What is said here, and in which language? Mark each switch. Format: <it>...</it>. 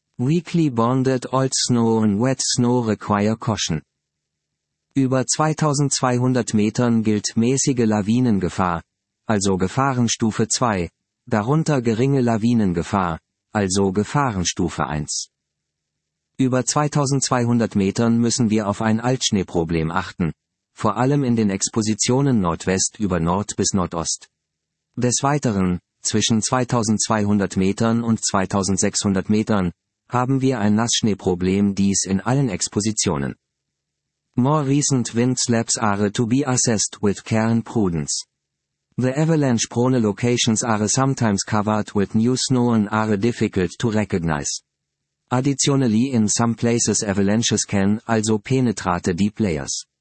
<en>Weekly bonded old snow and wet snow require caution.</en> <de>Über 2200 Metern gilt mäßige Lawinengefahr, also Gefahrenstufe 2, darunter geringe Lawinengefahr, also Gefahrenstufe 1. Über 2200 Metern müssen wir auf ein Altschneeproblem achten, vor allem in den Expositionen Nordwest über Nord bis Nordost. Des Weiteren, zwischen 2200 Metern und 2600 Metern, haben wir ein Nassschneeproblem, dies in allen Expositionen.</de> <en>More recent wind slabs are to be assessed with care and prudence. The avalanche-prone locations are sometimes covered with new snow and are difficult to recognize. Additionally, in some places avalanches can also penetrate deep layers.</en>